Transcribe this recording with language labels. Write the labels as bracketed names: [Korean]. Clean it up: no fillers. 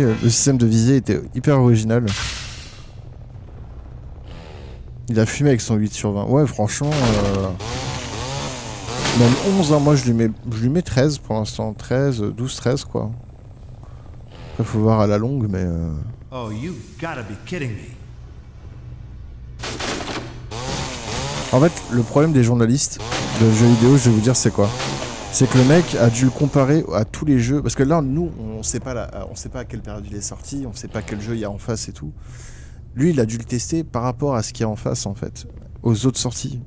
[French] Le système de visée était hyper original. Il a fumé avec son 8 sur 20. Ouais, franchement... Même 11, hein, moi je lui mets 13 pour l'instant. 13, 12, 13 quoi. Après faut voir à la longue, mais... [English] Oh, you gotta be kidding me. [French] En fait, le problème des journalistes de jeux vidéo, je vais vous dire c'est quoi. C'est que le mec a dû le comparer à tous les jeux. Parce que là, nous, on sait pas à quelle période il est sorti, on sait pas quel jeu il y a en face et tout. Lui, il a dû le tester par rapport à ce qu'il y a en face, en fait. Aux autres sorties.